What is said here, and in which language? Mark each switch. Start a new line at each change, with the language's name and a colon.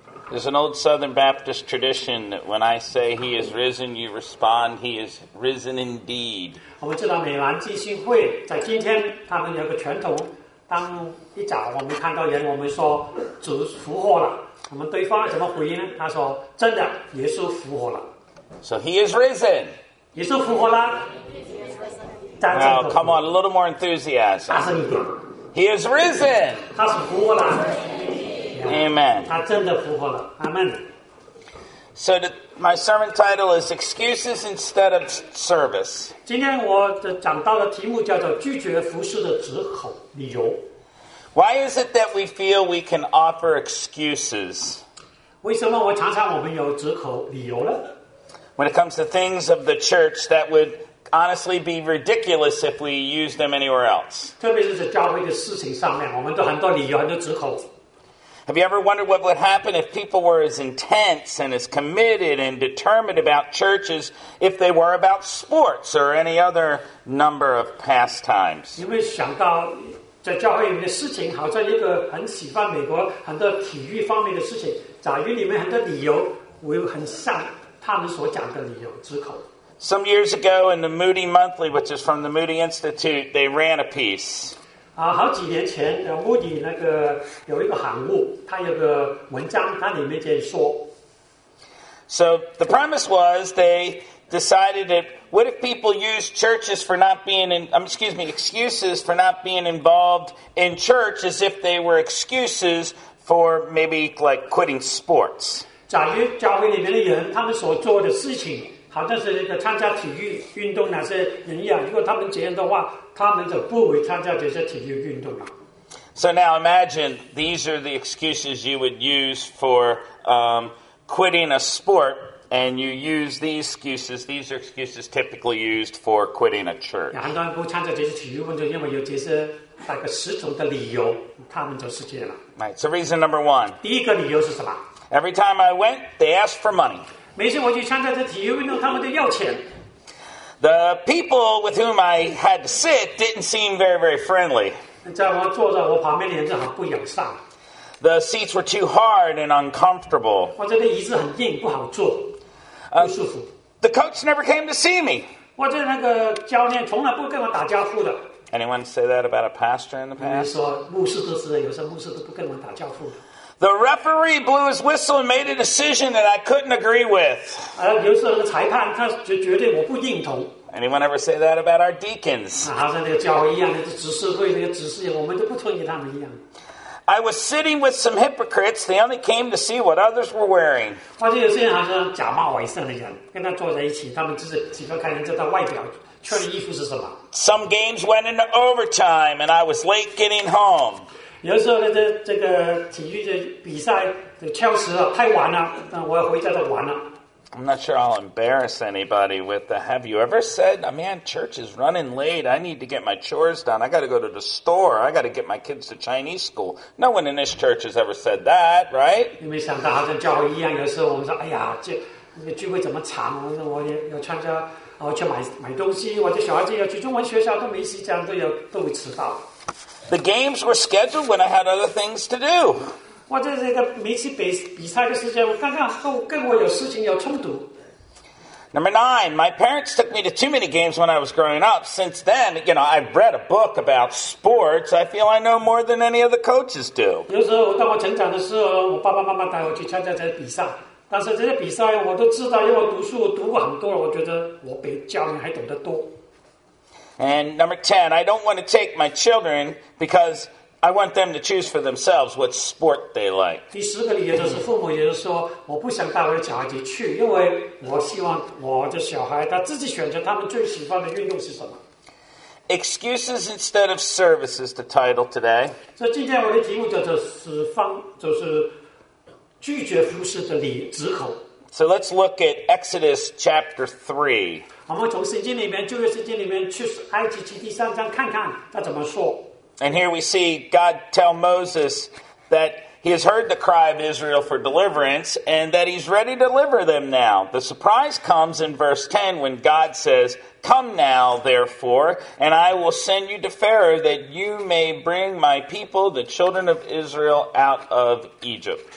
English: There's an old Southern Baptist tradition that when I say he is risen, you respond, he is risen indeed.
Chinese: 我们知道美兰基信会在今天他们有个传统，当一早我们看到人，我们说主复活了，我们对方怎么回应呢？他说真的，耶稣复活了。
English: So he is risen.
Chinese: 耶稣复活了。
English: Now come on, a little more enthusiasm.
Chinese: 大声一点。
English: He is risen.
Chinese: 他是复活了。
English: Amen.
Chinese: 他真的复活了。Amen.
English: So my sermon title is Excuses Instead of Service.
Chinese: 今天我讲到的题目叫做拒绝服事的借口理由。
English: Why is it that we feel we can offer excuses?
Chinese: 为什么我常常我们有借口理由呢？
English: When it comes to things of the church that would honestly be ridiculous if we used them anywhere else.
Chinese: 特别是在教会的事情上面，我们都很多理由，很多借口。
English: Have you ever wondered what would happen if people were as intense and as committed and determined about churches if they were about sports or any other number of pastimes?
Chinese: 有没有想到在教会里面的事情，好像一个很喜欢美国很多体育方面的事情，假如里面很多理由，我又很像他们所讲的理由借口。
English: Some years ago in the Moody Monthly, which is from the Moody Institute, they ran a piece.
Chinese: 好几年前，穆迪那个有一个刊物，他有个文章，他里面就说。
English: So the premise was they decided that what if people use churches for not being in, excuses for not being involved in church as if they were excuses for maybe like quitting sports. 假如教会里面的人，他们所做的事情，好像是参加体育运动那些人一样，如果他们这样的话。 So now imagine these are the excuses you would use for quitting a sport, and you use these excuses. These are excuses typically used for quitting a church.
Chinese: 很多人不参加这些体育运动，因为有这些那个十种的理由，他们就是这样了。
English: Right. So reason number one.
Chinese: 第一个理由是什么
English: ？Every time I went, they asked for money.
Chinese: 每次我去参加这体育运动，他们都要钱。
English: The people with whom I had to sit didn't seem very, very friendly.
Chinese: 在我坐在我旁边的人正好不友善。
English: The seats were too hard and uncomfortable.
Chinese: 我这个椅子很硬，不好坐，不舒服。
English: The coach never came to see me.
Chinese: 我这那个教练从来不跟我打招呼的。
English: Anyone say that about a pastor in the past?
Chinese: 你说牧师都是，有时候牧师都不跟我打招呼的。
English: The referee blew his whistle and made a decision that I couldn't agree with.
Chinese: 有时候那个裁判他绝对我不认同。
English: Anyone ever say that about our deacons?
Chinese: 好像那个教会一样，那个执事会那个执事，我们都不同意他们一样。
English: I was sitting with some hypocrites. They only came to see what others were wearing.
Chinese: 发现有些人好像假冒伪善的人，跟他坐在一起，他们只是喜欢看人家的外表。穿的衣服是什么？
English: Some games went into overtime, and I was late getting home.
Chinese: 有时候呢，这个体育的比赛就超时了，太晚了，我要回家再玩了。
English: I'm not sure I'll embarrass anybody with the. Have you ever said, "Man, church is running late. I need to get my chores done. I got to go to the store. I got to get my kids to Chinese school." No one in this church has ever said that, right?
Chinese: 有没有想到，好像教会一样，有时候我们说，哎呀，这聚会怎么长？我说我要参加，我去买东西，我的小孩子要去中文学校，都没时间，都会迟到。
English: The games were scheduled when I had other things to do.
Chinese: 我在这个每次比赛的时间，我刚刚跟我有事情要冲突。
English: Number nine, my parents took me to too many games when I was growing up. Since then, you know, I've read a book about sports. I feel I know more than any of the coaches do.
Chinese: 有时候当我成长的时候，我爸爸妈妈带我去参加这些比赛，但是这些比赛我都知道，因为我读书我读过很多了，我觉得我比教练还懂得多。
English: And number 10, I don't want to take my children because I want them to choose for themselves what sport they like.
Chinese: 第十个理由就是父母也就是说我不想带我的小孩子去，因为我希望我的小孩他自己选择他们最喜欢的运动是什么。
English: Excuses instead of service is the title today.
Chinese: 所以今天我的题目叫做就是拒绝服事的借口。
English: So let's look at Exodus chapter 3.
Chinese: 我们从圣经里面，旧约圣经里面去埃及记第三章看看他怎么说。
English: And here we see God tell Moses that He has heard the cry of Israel for deliverance, and that he's ready to deliver them now. The surprise comes in verse 10 when God says, "Come now, therefore, and I will send you to Pharaoh that you may bring my people, the children of Israel, out of Egypt."